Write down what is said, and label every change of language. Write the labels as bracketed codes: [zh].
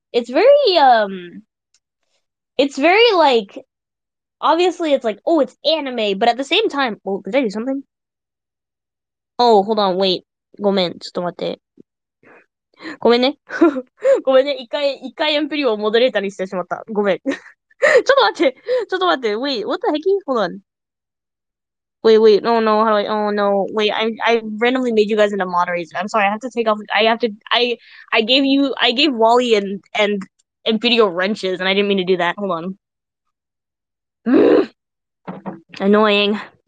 [en] It's very like, obviously it's like, oh, it's anime, but at the same time, oh, did I do something? Oh, hold on, wait. [ja] ごめん、ちょっと待って。ごめんね。ごめんね。一回エンプリを戻れたりしてしまった。ごめん。ちょっと待って。 [en] Wait, what the heck? Hold on. Wait, no, no, how do I, oh no, wait, I randomly made you guys into moderators. I'm sorry, I have to take off, I gave Wally and Impidio wrenches, and I didn't mean to do that. Hold on. Annoying.